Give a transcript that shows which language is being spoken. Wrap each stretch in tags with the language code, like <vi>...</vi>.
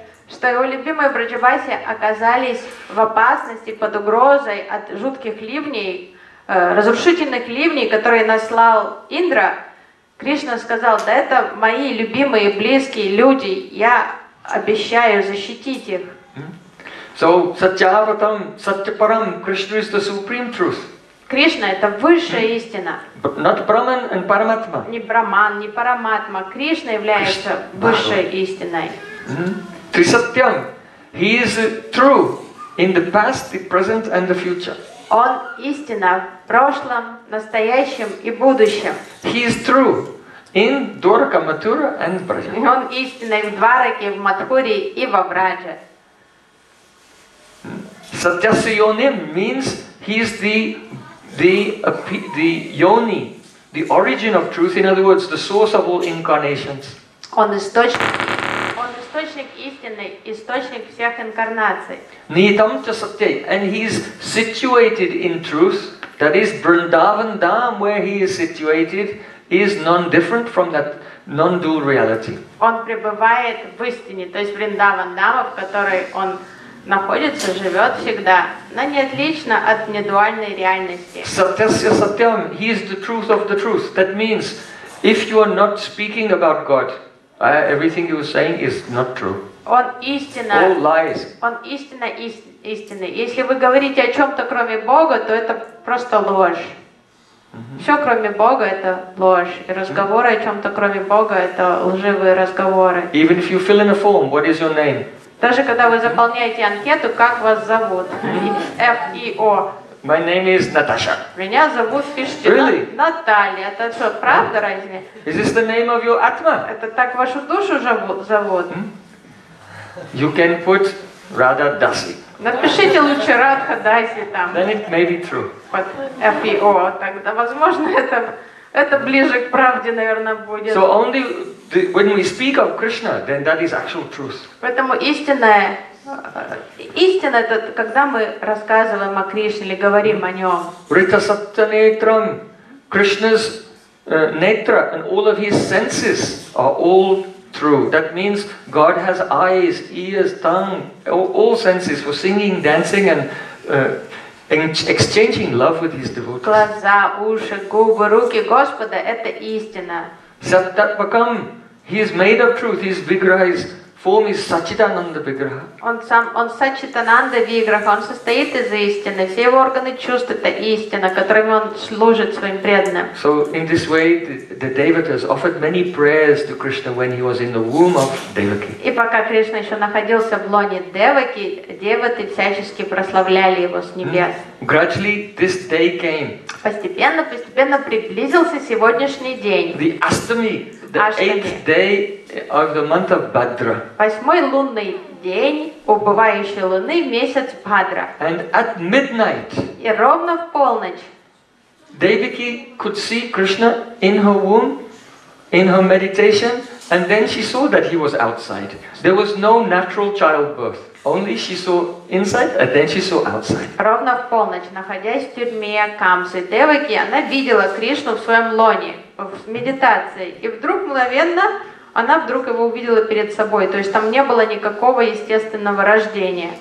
<ru>что его любимые Брадживаси оказались в опасности под угрозой от жутких ливней, разрушительных ливней, которые наслал Индра, Кришна сказал, да это мои любимые близкие люди, я обещаю защитить их.</ru> <en>So, Satyavratam, Satyaparam, Krishna is the supreme truth.</en> <ru>Кришна — это высшая истина.</ru> <en>But not Brahman and Paramatma.</en> <ru>Не Браман, не Параматма. Кришна является Krishna, высшей истиной.</ru> <sa>Трисатьям.</sa> <en>He is true in the past, the present and the future.</en> <ru>Он истина в прошлом, настоящем и будущем.</ru> <en>He is true in Dwaraka, Mathura and Braja.</en> <ru>Он истина в Двараке, в Матхуре и во Враже.</ru> <sa>Satyasya Yoni</sa> <en>means he is the Yoni, the origin of truth, in other words, the source of all incarnations.</en> <ru>Он источник истины, источник всех инкарнаций.</ru> <sa>Nitam cha satyai,</sa> <en>and he is situated in truth, that is, Vrindavan Dham, where he is situated, is non-different from that non-dual reality.</en> <ru>Он пребывает в истине, то есть Vrindavan Dham, в которой он находится, живет всегда, но не отлично от недуальной реальности.</ru> <sa>Satyasya satyam,</sa> <en>he is the truth of the truth. That means, if you are not speaking about God, everything you are saying is not true.</en> <ru>Он истина.</ru> <en>All lies.</en> <ru>Он истина истинный. Если вы говорите о чем-то кроме Бога, то это просто ложь. Mm-hmm. Все кроме Бога это ложь. И разговоры о чем-то кроме Бога это лживые разговоры.</ru> <en>Even if you fill in a form, what is your name?</en> <ru>Даже когда вы заполняете анкету, как вас зовут? F-E-O.</ru> <en>My name is Natasha.</en> <ru>Меня зовут Пиштина.</ru> <en>Really?</en> <ru>Наталья. Это что, правда разве?</ru> <en>Is this the name of your Atma?</en> <ru>Это так вашу душу зовут? Hmm?</ru> <en>You can put Radha Dasi.</en> <ru>Напишите лучше Radha Dasi там.</ru> <en>Then it may be true.</en> <ru>Под F-E-O. Тогда, возможно, это ближе к правде, наверное, будет.</ru> <en>So only when we speak of Krishna, then that is actual truth.</en> <ru>Поэтому истина это когда мы рассказываем о Кришне или говорим о нем.</ru> <en>Ритасаттанетрам, Krishna's netra and all of his senses are all true. That means God has eyes, ears, tongue, all senses for singing, dancing and exchanging love with his devotees.</en> <ru>Глаза, уши, губы, руки Господа — это истина.</ru> <en>Саттатвакам, he is made of truth, his vigraha is form is Satchitananda Vigraha.</en> <ru>Он Satchitananda Vigraha, он состоит из истины. Все его органы чувств — это истина, которыми он служит своим преданным.</ru> <en>So in this way, the devotees offered many prayers to Krishna when he was in the womb of Devaki.</en> <ru>И пока Кришна еще находился в лоне Деваки, девоты всячески прославляли его с небес.</ru> <en>Gradually, this day came.</en> <ru>Постепенно приблизился сегодняшний день.</ru> <en>The Astami. The eighth day of the month of Bhadra.</en> <ru>Восьмой лунный день убывающей луны, месяц Бхадра.</ru> <en>And at midnight.</en> <ru>И ровно в полночь.</ru> <en>Devaki could see Krishna in her womb, in her meditation, and then she saw that he was outside. There was no natural childbirth. Only she saw inside, and then she saw outside.</en> <ru>Ровно в полночь, находясь в тюрьме Камсы, Деваки, она видела Кришну в своем лоне. В медитации. И вдруг, мгновенно, она вдруг его увидела перед собой. То есть там не было никакого естественного рождения.</ru>